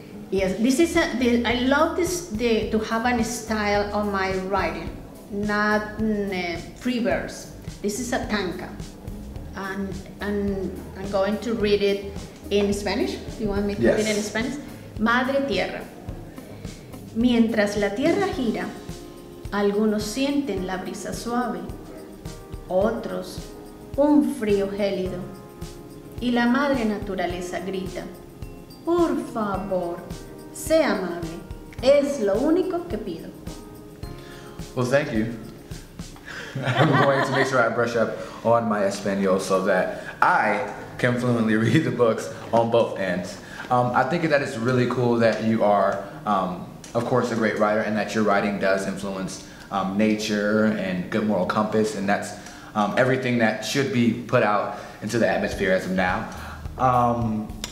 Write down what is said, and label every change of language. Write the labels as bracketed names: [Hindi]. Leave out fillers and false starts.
[English] Yes, this is I love this to have a style on my writing. Not free verse. This is a tanka. And I'm going to read it in Spanish. Do you want me to read it in Spanish? [Spanish] Madre Tierra. Mientras la tierra gira, algunos sienten la brisa suave, otros un frío gélido. Y la madre naturaleza grita, por favor, sé amable. Es lo único que pido. [English] Well, thank you. I'm going to make sure I brush up on my Espanol so that I can fluently read the books on both ends. I think that it's really cool that you are, of course, a great writer and that your writing does influence nature and good moral compass, and that's everything that should be put out into the atmosphere as of now.